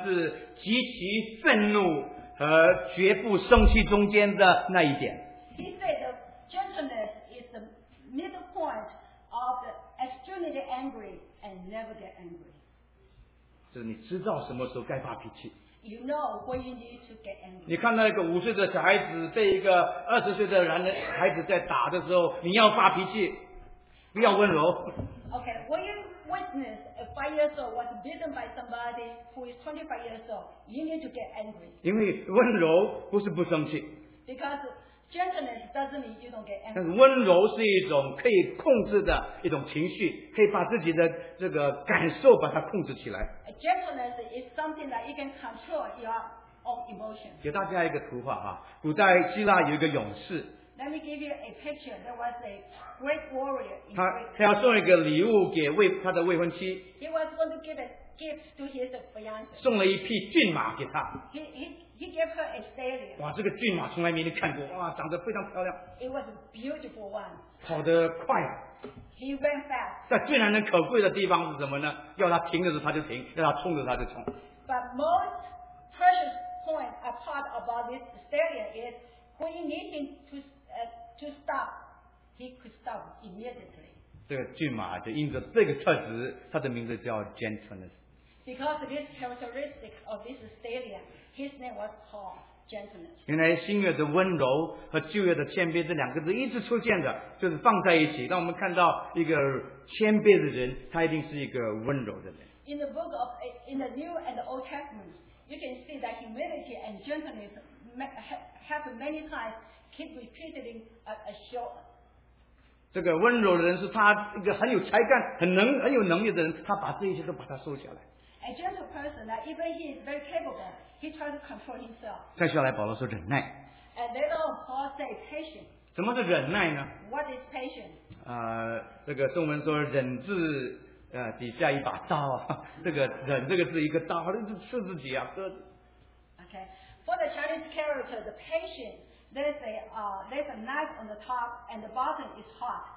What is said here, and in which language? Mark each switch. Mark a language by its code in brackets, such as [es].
[zh] 是极其愤怒和绝不生气中间的那一点。 [en] He said the gentleness is the middle point of the extremely angry and never get angry. [zh] 就是你知道什么时候该发脾气。 [en] You know when you need to get angry. [zh] 你看到一个五岁的小孩子被一个二十岁的男孩子在打的时候，你要发脾气，不要温柔。 [en] Okay, when you witness a 5 years old was beaten by somebody who is 25 years old, you need to get angry. [zh] 因为温柔不是不生气。 [en] Because gentleness doesn't mean you don't get angry. [zh] 但是温柔是一种可以控制的一种情绪，可以把自己的这个感受把它控制起来。 [en] A gentleness is something that you can control your own emotion. [zh] 给大家一个图画哈，古代希腊有一个勇士。 [en] Let me give you a picture. There was a great warrior. [zh] 他要送一个礼物给他的未婚妻。 [en] He was going to give a gift to his fiance. [zh] 送了一匹骏马给他。 [en] He gave her a stallion. [zh] 哇，这个骏马从来没看过，哇，长得非常漂亮。 [en] It was a beautiful one. [zh] 跑得快。 [en] He ran fast. [zh] 但最难能可贵的地方是什么呢？要他停的时候他就停，要他冲的时候他就冲。 [en] But most precious point a part about this stallion is. When he needed him to stop, he could stop immediately. [zh] 这个骏马就因着这个特质，它的名字叫 gentleness. [en] Because of this characteristic of this stallion, his name was called gentleness. [zh] 原来新约的温柔和旧约的谦卑这两个字一直出现的，就是放在一起，让我们看到一个谦卑的人，他一定是一个温柔的人。 [en] In the New and the Old Testament, you can see that humility and gentlenessHave many times keep repeating a show. [zh] 这个温柔的人是他一个很有才干、很有能力的人，他把这一切都把它收下来。 [en] A gentle person, that even he is very capable, he tries to control himself. [zh] 再下来，保罗说忍耐。 [en] And later, Paul say patient. [zh] 什么是忍耐呢 [en] ？What is patient? [zh] 这个中文说忍字底下一把刀，这个忍这个字一个刀，就刺自己啊，割。 [en] Okay. For the Chinese character, the patient, there's a knife on the top and the bottom is hot.